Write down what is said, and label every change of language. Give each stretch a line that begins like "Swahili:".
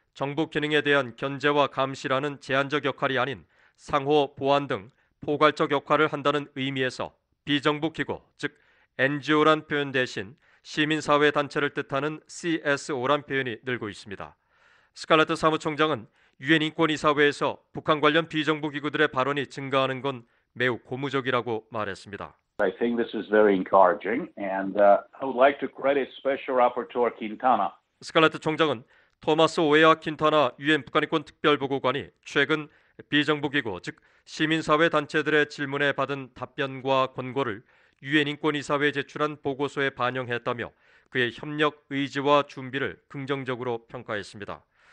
Korean: 정부 기능에 대한 견제와 감시라는 제한적 역할이 아닌 상호 보완 등 포괄적 역할을 한다는 의미에서 비정부기구, 즉 NGO란 표현 대신 시민사회 단체를 뜻하는 CSO란 표현이 늘고 있습니다. 스칼레트 사무총장은 유엔 인권이사회에서 북한 관련 비정부기구들의 발언이 증가하는 건 매우 고무적이라고 말했습니다.
English: I think this is very encouraging and I would like to credit Special Rapporteur Quintana.
Korean: 스칼레트 총장은 토마스 오웨아 킨타나 유엔 북한인권 특별보고관이 최근 비정부기구, 즉 시민사회 단체들의 질문에 받은 답변과 권고를 유엔 인권이사회에 제출한 보고서에 반영했다며 그의 협력 의지와 준비를 긍정적으로 평가했습니다.